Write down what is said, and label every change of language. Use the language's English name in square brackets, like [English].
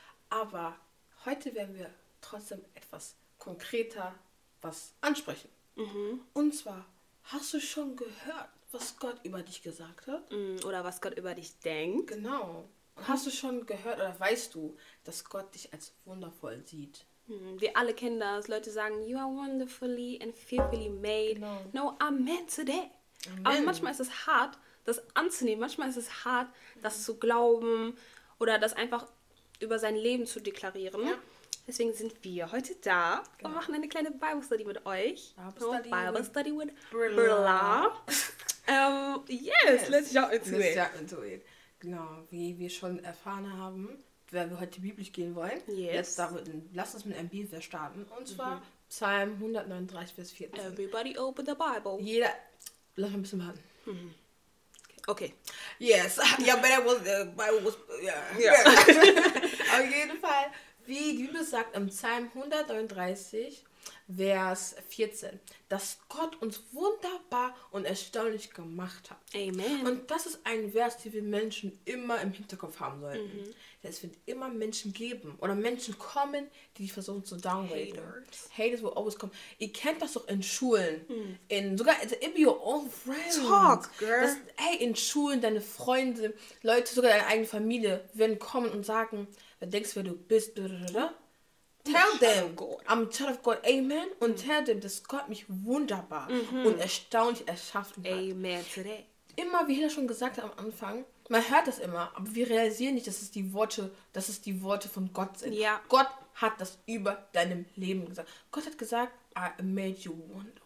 [German] Aber heute werden wir trotzdem etwas konkreter was ansprechen. Und zwar, hast du schon gehört, was Gott über dich gesagt hat? Oder was Gott über dich denkt? Genau. Und hast du schon gehört oder weißt du, dass Gott dich als wundervoll sieht? Wir alle kennen das. Leute sagen, [English] you are wonderfully and fearfully made. [German] Genau. [English] No, amen today. [German] Amen. Aber manchmal ist es hart, das anzunehmen. Manchmal ist es hart, das zu glauben oder das einfach über sein Leben zu deklarieren. Ja. Deswegen sind wir heute da und machen eine kleine Bible Study mit euch. [English] Bible Study with Brilla. Yes, let's jump into it. [German] Genau, wie wir schon erfahren haben, weil wir heute biblisch gehen wollen. [English] Yes. [German] Lass uns mit einem Bibelvers starten. Und zwar Psalm 139, Vers 14. [English] Everybody open the Bible. [German] Jeder. Lass mal ein bisschen warten. [English] Okay. Yes. Yeah, but it was, the Bible was, yeah. [German] Auf jeden Fall. Wie die Bibel sagt im Psalm 139, Vers 14, dass Gott uns wunderbar und erstaunlich gemacht hat. Amen. Und das ist ein Vers, den wir Menschen immer im Hinterkopf haben sollten. Mhm. Es wird immer Menschen geben oder Menschen kommen, die versuchen zu downgraden. [English] Haters will always come. [German] Ihr kennt das doch in Schulen. Sogar [English] in your own friends. Talk, girl. [German] In Schulen, deine Freunde, Leute, sogar deine eigene Familie werden kommen und sagen, wer denkst, wer du bist, oder? [English] Tell them, I'm a child of God, amen. [German] Und [English] tell them, [German] dass Gott mich wunderbar und erstaunlich erschaffen hat. [English] Amen. Today. [German] Immer, wie Hilla schon gesagt hat am Anfang, man hört das immer, aber wir realisieren nicht, dass es die Worte, von Gott sind. Ja. Gott hat das über deinem Leben gesagt. Gott hat gesagt, [English] I made you wonderful.